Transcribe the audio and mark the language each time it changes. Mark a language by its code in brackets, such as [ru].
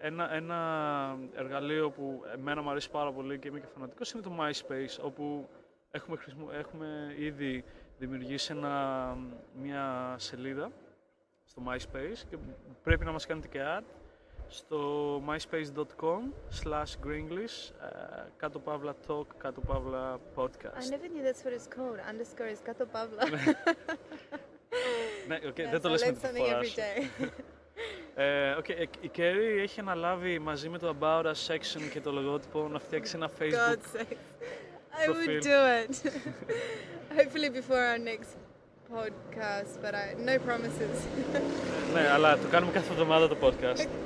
[el] Ένα εργαλείο που εμένα μου αρέσει πάρα πολύ και είμαι και φανατικός είναι το MySpace, όπου έχουμε ήδη δημιουργήσει μια σελίδα στο MySpace και πρέπει να μας κάνετε και ad στο myspace.com/greenglish, κάτω παύλα talk, κάτω παύλα podcast. [en] I never knew that's what it's called, underscore is κάτω παύλα. [el] Ναι, okay, yeah, δεν so το λες με τη φορά σου. Okay, η Κέρι έχει αναλάβει μαζί με το About Us section και το λογότυπο να φτιάξει ένα Facebook. [en] God's sake. I would do it. Hopefully before our next podcast, but no promises. [el] Ναι, αλλά το κάνουμε κάθε εβδομάδα το podcast.